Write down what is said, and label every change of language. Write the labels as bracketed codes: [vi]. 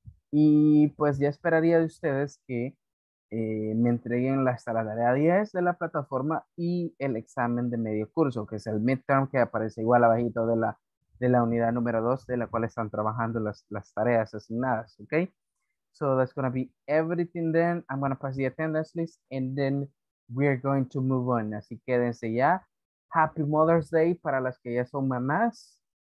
[es] Y pues ya esperaría de ustedes que me entreguen hasta la tarea 10 de la plataforma y el examen de medio curso, que es el midterm, que aparece igual abajito de la unidad número 2, de la cual están trabajando las tareas asignadas, ok. [en] So that's going to be everything then. I'm going to pass the attendance list and then we're going to move on. [es] Así quédense ya. [en] Happy Mother's Day [es] para las que ya son mamás.